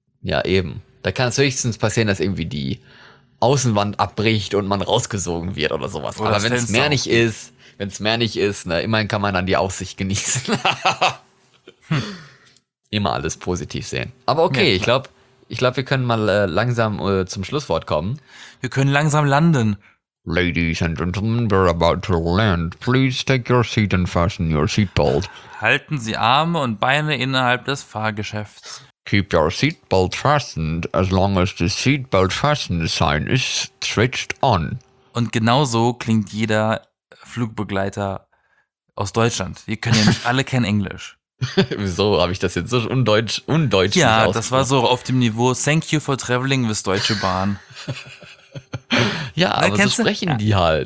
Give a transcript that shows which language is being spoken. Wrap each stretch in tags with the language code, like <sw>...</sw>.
<de>Ja, eben, da kann es höchstens passieren, dass irgendwie die Außenwand abbricht und man rausgesogen wird oder sowas. Oder aber wenn es mehr nicht ist, ne, immerhin kann man dann die Aussicht genießen. Immer alles positiv sehen. Aber okay, ja, ich glaube, wir können mal langsam zum Schlusswort kommen. Wir können langsam landen.</de> <en>Ladies and gentlemen, we're about to land. Please take your seat and fasten your seatbelt.</en> <de>Halten Sie Arme und Beine innerhalb des Fahrgeschäfts.</de> <en>Keep your seatbelt fastened as long as the seatbelt fastened sign is switched on.</en> <de>Und genau so klingt jeder Flugbegleiter aus Deutschland. Wir können ja nicht alle kein Englisch. Wieso habe ich das jetzt so undeutsch? Ja, das war so auf dem Niveau</de> <en>Thank you for traveling with Deutsche Bahn.</en> <de>Ja, na, aber so sprechen die halt.</de>